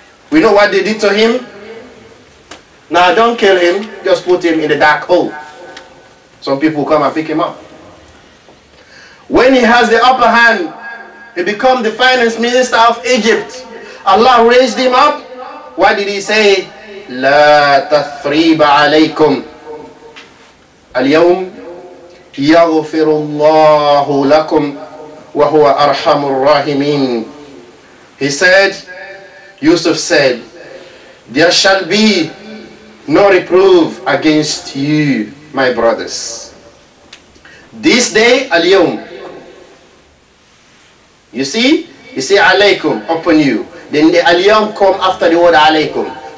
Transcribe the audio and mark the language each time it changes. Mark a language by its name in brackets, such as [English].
[English] We know what they did to him. Now don't kill him, just put him in a dark hole. Some people come and pick him up. When he has the upper hand, he becomes the finance minister of Egypt. Allah raised him up. What did he say? [Arabic] لا تثريب عليكم اليوم يغفر الله لكم وهو أرحم الراحمين. [English] He said, Yusuf said, there shall be no reproof against you, my brothers. This day, [Arabic] اليوم. [English] You see, عليكم upon you. Then the اليوم come after the word عليكم.